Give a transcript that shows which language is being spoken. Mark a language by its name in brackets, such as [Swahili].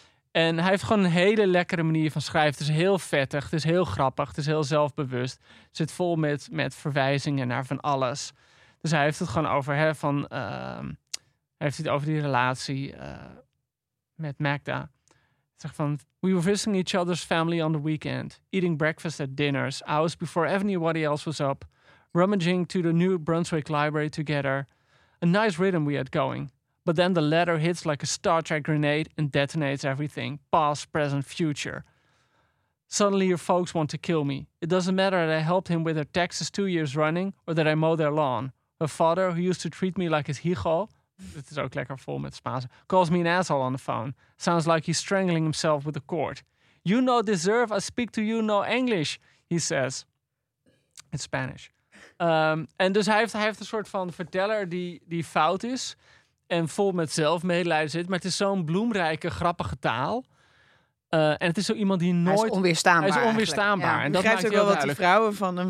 [Dutch] En hij heeft gewoon een hele lekkere manier van schrijven. Het is heel vettig, het is heel grappig, het is heel zelfbewust. Het zit vol met verwijzingen naar van alles. Dus hij heeft het gewoon over, hè, van, heeft het over die relatie met Magda. Hij zegt van, [English] we were visiting each other's family on the weekend, eating breakfast at dinners, hours before anybody else was up, rummaging to the New Brunswick library together. A nice rhythm we had going. But then the letter hits like a Star Trek grenade and detonates everything, past, present, future. Suddenly your folks want to kill me. It doesn't matter that I helped him with their taxes 2 years running or that I mow their lawn. Her father, who used to treat me like his hijo, [Dutch] dit is ook lekker vol met Spaans, [English] calls me an asshole on the phone. Sounds like he's strangling himself with a cord. You no deserve, I speak to you no English, he says. In Spanish. [Dutch] En dus hij heeft een soort van verteller die fout is. en vol met zelfmedelijden zit. Maar het is zo'n bloemrijke, grappige taal. En het is zo iemand die nooit... Hij is onweerstaanbaar. Hij is onweerstaanbaar. Ja. En dat maakt ook wel duidelijk. Wat die vrouwen van hem...